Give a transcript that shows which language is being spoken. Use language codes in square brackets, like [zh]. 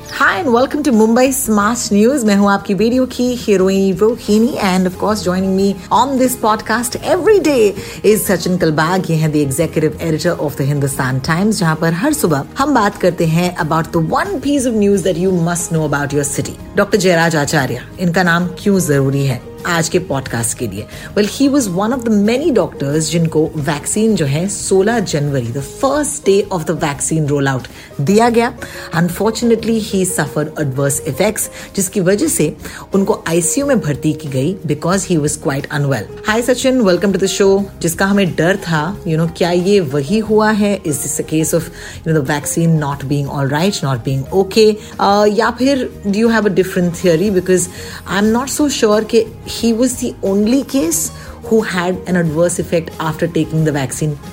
[en] Hi and welcome to Mumbai Smart News. [hi] Main hoon aapki video ki heroine Rohini, [en] and of course joining me on this podcast every day is Sachin Kalbag. He is the executive editor of the Hindustan Times, [hi] jahan par har subah hum baat karte hain [en] about the one piece of news that you must know about your city. Dr. [hi] Jairaj Acharya, inka naam kyun zaruri hai आज के podcast के लिए? [en] well, he was one of the many doctors [hi] जिनको vaccine जो है [en] 16 जनवरी the first day of the vaccine roll out [hi] दिया गया. [en] unfortunately he suffer adverse effects [hi] जिसकी वजह से उनको आईसीयू में भर्ती की गई [en] Because he was quite unwell. Hi Sachin, welcome to the show. [hi] जिसका हमें डर था, [en] you know, [hi] क्या ये वही हुआ है? [en] is this a case of you know the vaccine not being all right, not being okay, [hi] या फिर [en] Do you have a different theory? Because I am not so sure के he was the only case who had an adverse effect after taking the vaccine.